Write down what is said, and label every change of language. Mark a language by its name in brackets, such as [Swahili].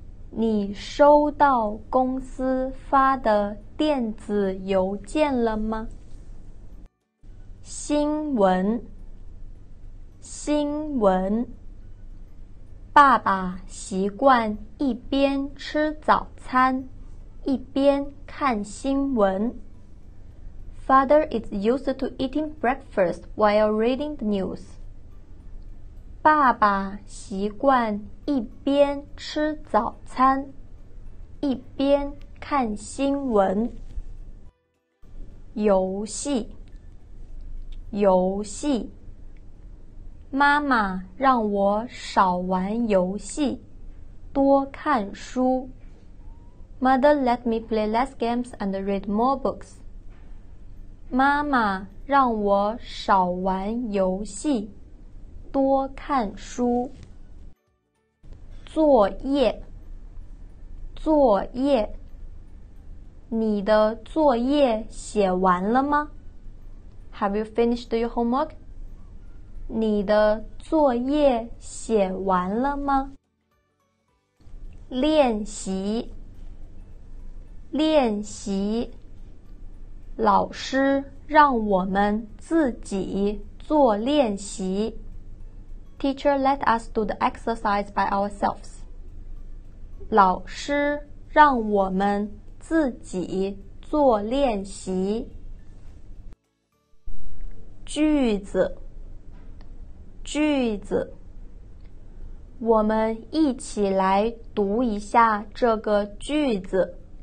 [Chinese] 你收到公司发的电子邮件了吗？新闻，新闻。爸爸习惯一边吃早餐，一边看新闻。 [English] Father is used to eating breakfast while reading the news. [Chinese] 爸爸习惯一边吃早餐，一边看新闻。游戏，游戏。妈妈让我少玩游戏，多看书。 [English] Mother let me play less games and read more books. [Chinese] 妈妈让我少玩游戏，多看书。作业，作业。你的作业写完了吗? [English] Have you finished your homework? [Chinese] 你的作业写完了吗? 练习练习老师让我们自己做练习。 [English] Teacher let us do the exercise by ourselves. [Chinese] 老师让我们自己做练习。句子句子我们一起来读一下这个句子。